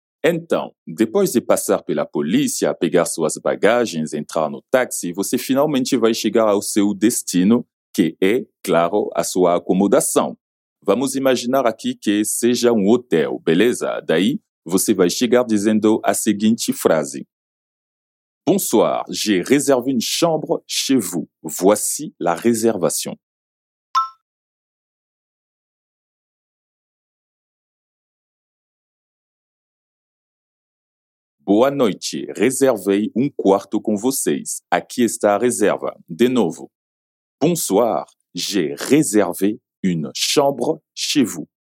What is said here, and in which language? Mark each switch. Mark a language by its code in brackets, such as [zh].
[pt] Então, depois de passar pela polícia, pegar suas bagagens, entrar no táxi, você finalmente vai chegar ao seu destino, que é, claro, a sua acomodação. Vamos imaginar aqui que seja hotel, beleza? Daí, você vai chegar dizendo a seguinte frase. [fr] Bonsoir, j'ai réservé une chambre chez vous. Voici la réservation. [pt] Boa noite, reservei quarto com vocês. Aqui está a reserva. De novo. [fr] Bonsoir, j'ai réservé une chambre chez vous.